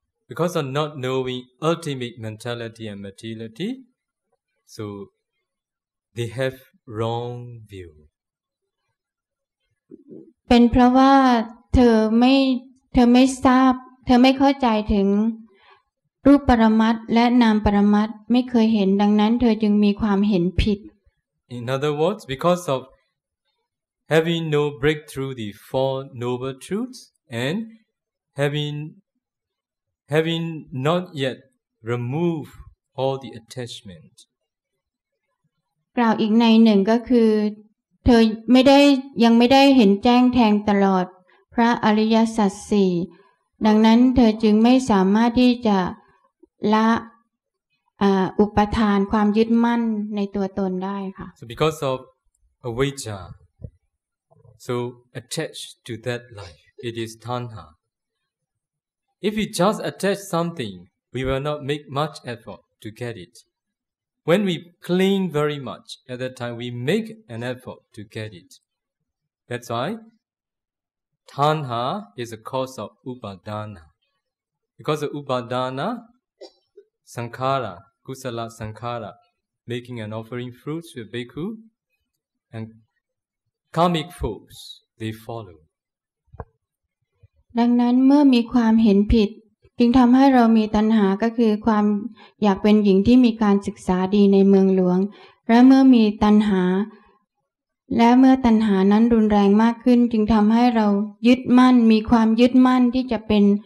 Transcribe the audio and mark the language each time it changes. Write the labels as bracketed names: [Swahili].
[English] Because of not knowing ultimate mentality and materiality so they have wrong view [Thai] เป็นเพราะว่าเธอไม่ทราบเธอไม่เข้าใจถึงรูปปรมัตถ์และนามปรมัตถ์ไม่เคยเห็นดังนั้นเธอจึงมีความเห็นผิด [English] In other words, because of having no breakthrough the four noble truths and having not yet removed all the attachment. [Thai] กล่าวอีกในหนึ่งก็คือเธอยังไม่ได้เห็นแจ้งแทงตลอดพระอริยสัจสี่ดังนั้นเธอจึงไม่สามารถที่จะละอุปทานความยึดมั่นในตัวตนได้ค่ะ [English] So because of avijja so attached to that life it is tanha if we just attach something we will not make much effort to get it when we cling very much at that time we make an effort to get it that's why tanha is a cause of upadana because of upadana sankhara kusala sankhara making an offering fruits to a bhikkhu and karmic folks they follow [Thai] ดังนั้นเมื่อมีความเห็นผิด จึงทำให้เรามีตัณหาก็คือความอยากเป็นหญิงที่มีการศึกษาดีในเมืองหลวงและเมื่อมีตัณหาและเมื่อตัณหานั้นรุนแรงมากขึ้นจึงทำให้เรายึดมั่นมีความยึดมั่นที่จะเป็น